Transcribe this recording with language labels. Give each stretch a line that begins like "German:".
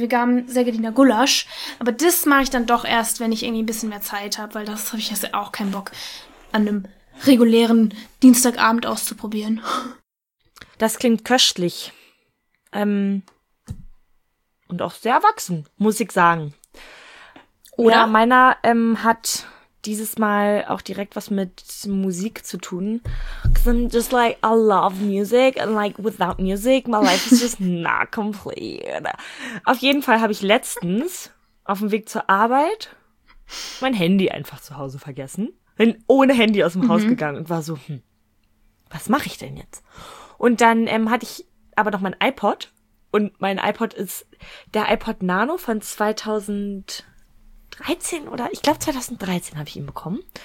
German: veganem Segediner Gulasch. Aber das mache ich dann doch erst, wenn ich irgendwie ein bisschen mehr Zeit habe, weil das habe ich jetzt auch keinen Bock an einem regulären Dienstagabend auszuprobieren. Das klingt köstlich. Und auch sehr erwachsen, muss ich sagen. Oder? Ja, meiner hat dieses Mal auch direkt was mit Musik zu tun.
English: Because I'm just like, I love music and like without music, my life is just not complete.
German: Auf jeden Fall habe ich letztens auf dem Weg zur Arbeit mein Handy einfach zu Hause vergessen. Bin ohne Handy aus dem Haus gegangen und war so, was mache ich denn jetzt? Und dann hatte ich aber noch mein iPod. Und mein iPod ist der iPod Nano von 2013 oder ich glaube 2013 habe ich ihn bekommen.